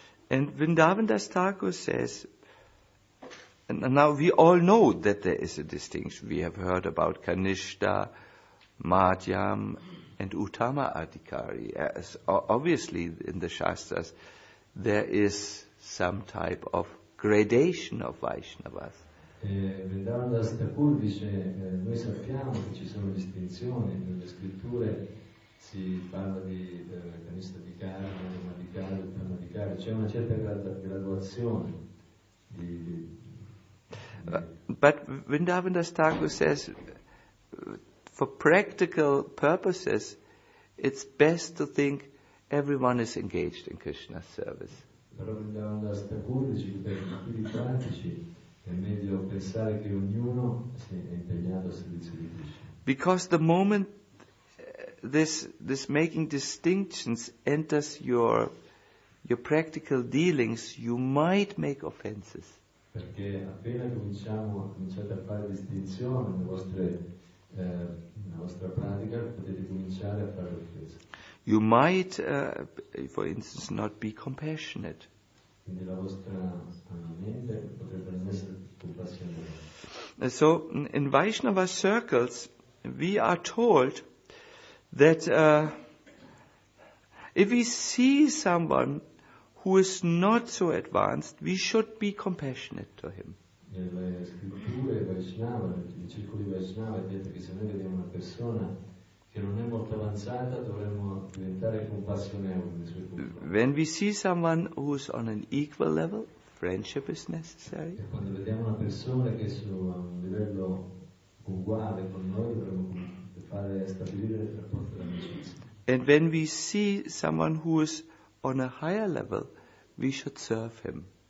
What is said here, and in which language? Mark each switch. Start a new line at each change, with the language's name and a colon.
English: And Vrindavandas Thakur says, and now we all know that there is a distinction. We have heard about Kanishta, Madhyam, and Uttama Adhikari. As obviously, in the Shastras, there is some type of gradation of Vaishnavas.
Italian: Vrindavandas Thakur dice, noi sappiamo che ci sono distinzioni nelle scritture, si parla di Kanishta Adhikari, Madhyam Adhikari, Uttama Adhikari, c'è una certa graduazione di...
English: But Vrindavandas Thakur says, for practical purposes, it's best to think everyone is engaged in Krishna's service.
Italian: Però Vrindavandas Thakur dice che per i pratici è meglio pensare che ognuno sia impegnato a servizio di Krishna.
English: Because the moment this making distinctions enters your practical dealings, you might make offenses.
Italian: Perché appena cominciate a fare distinzione nella vostra pratica, potete cominciare a fare l'offesa.
English: You might, for instance, not be compassionate.
Italian: Quindi la vostra mente potrebbe non essere compassionevole.
English: So, in Vaishnava circles, we are told that if we see someone who is not so advanced, we should be compassionate to him.
Italian: Nelle scritture Vaishnava, nei circoli Vaishnava, è detto che se noi vediamo una persona che non è molto avanzata, dovremmo diventare compassionevoli.
English: When we see someone who is on an equal level, friendship is necessary.
Italian: E quando vediamo una persona che è su un livello uguale con noi, dovremmo fare stabilire il rapporto d'amicizia.
English: And when we see someone who is on a higher level, we should serve him.